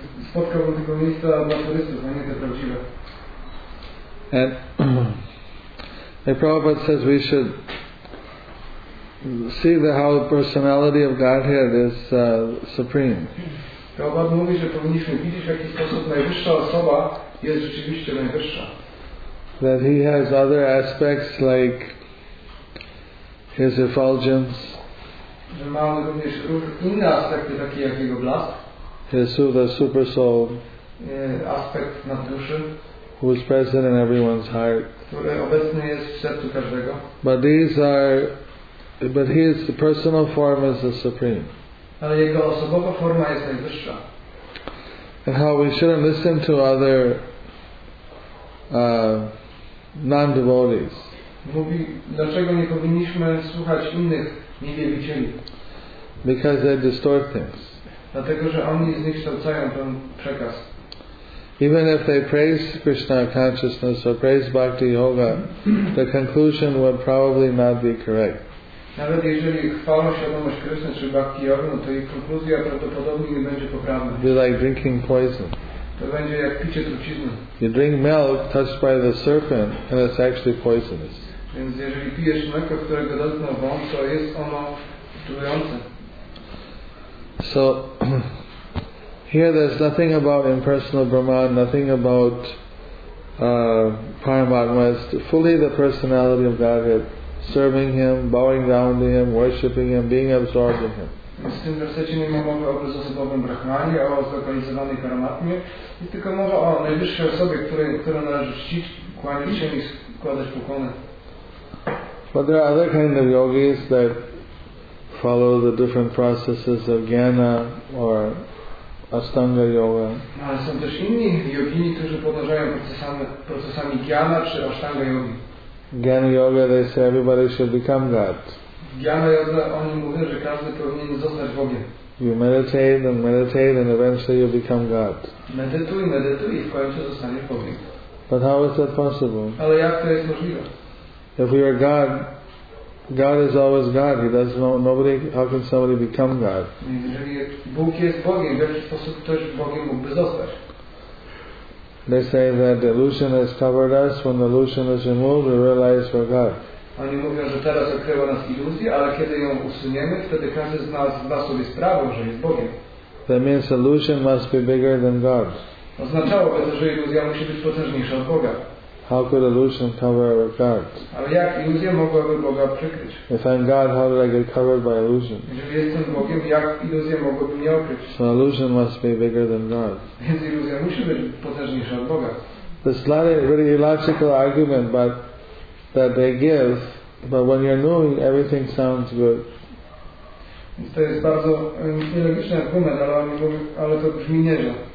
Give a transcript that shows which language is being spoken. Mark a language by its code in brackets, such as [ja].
[pl] Spotkałbym tylko miejsca dla turystów, a nie te prawdziwe. [en] And the Prabhupada says we should see the how the personality of Godhead is supreme. [pl] Prabhupada mówi, że powinniśmy widzieć, w jaki sposób najwyższa osoba jest rzeczywiście najwyższa. [en] That he has other aspects like his effulgence. [pl] Że ma on również inne aspekty, takie jak jego blask. [en] His super soul. [pl] Aspekt nad duszy. [en] Who is present in everyone's heart. [pl] Który obecny jest w sercu każdego. [en] But these are, but his personal form is the supreme. [pl] Ale jego osobowa forma jest najwyższa. [en] And how we shouldn't listen to other non-devotees. [pl] Mówi, dlaczego nie powinniśmy słuchać innych niewielbicieli? [en] Because they distort things. [pl] Dlatego, że oni zniekształcają ten przekaz. [en] Even if they praise Krishna consciousness or praise Bhakti Yoga, the conclusion would probably not be correct. [pl] Nawet jeżeli chwalą świadomość Krishna czy Bhakti Yoga, no to ich konkluzja prawdopodobnie nie będzie poprawna. [en] Be like drinking poison. [pl] To będzie jak picie trucizny. [en] You drink milk touched by the serpent and it's actually poisonous. [pl] Więc jeżeli pijesz mleko, którego dotknął wąż, to jest ono trujące. [en] So here there's nothing about impersonal Brahman, nothing about Paramatma. It's fully the personality of Godhead, serving him, bowing down to him, worshipping him, being absorbed in him. [pl] W tym wersecie nie ma mowy o bezosobowym Brahmanie, a o zlokalizowanej Paramatmie, tylko mowa o najwyższej osobie, którą należy czcić, kłaniać się i składać pokłony. [en] But there are other kind of yogis that follow the different processes of Jnana or Astanga Yoga. [pl] Ale są też inni jogini, którzy podążają procesami Jnana czy Astanga Yogi. [en] Jnana Yoga, they say everybody should become God. [pl] Jnana Yoga, oni mówią, że każdy powinien zostać Bogiem. [en] You meditate and meditate and eventually you become God. [pl] Medytuj, medytuj i w końcu zostaniesz Bogiem. [en] But how is that possible? [pl] Ale jak to jest możliwe? [en] If we are God, God is always God. He does no, nobody. How can somebody become God? [pl] Bóg jest Bogiem. W jaki sposób ktoś Bogiem mógłby zostać? [en] They say that the illusion has covered us. When the illusion is removed, we realize we're God. [pl] Oni mówią, że teraz okryła nas iluzja, ale kiedy ją usuniemy, wtedy każdy z nas zda sobie sprawę, że jest Bogiem. [en] That means illusion must be bigger than God. [pl] Oznaczałoby to, że iluzja musi być potężniejsza od Boga. [en] How could illusion cover our God? [pl] Ale jak iluzja mogłaby Boga przykryć? [en] If I'm God, how did I get covered by illusion? [pl] Jeżeli jestem Bogiem, jak iluzja mogłaby mnie okryć? [en] So illusion must be bigger than God. [pl] Więc iluzja musi być potężniejsza od Boga. [en] This is not a really illogical argument, but that they give. But when you're new, everything sounds good. [pl] Więc to jest bardzo nielogiczny argument, ale to brzmi nieźle.